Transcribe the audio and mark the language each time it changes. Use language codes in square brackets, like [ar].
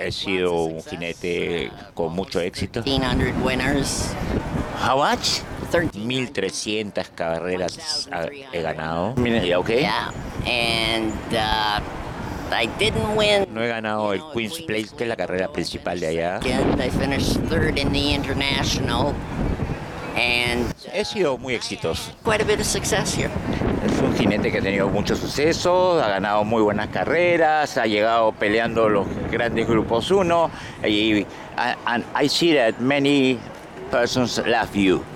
[es] he sido un jinete con mucho éxito. [en] 1,300 winners. How much? [es] 1,300 carreras he ganado. [en] Yeah, okay. Yeah. And I didn't win. [es] No he ganado el Queen's Plate, que es la carrera principal de allá. [en] I finished third in the international. And [es] he sido muy exitoso. [en] Quite a bit of success here. [es] Es un jinete que ha tenido mucho suceso, ha ganado muy buenas carreras, ha llegado peleando los grandes grupos uno. [en] Y I see that many persons love you.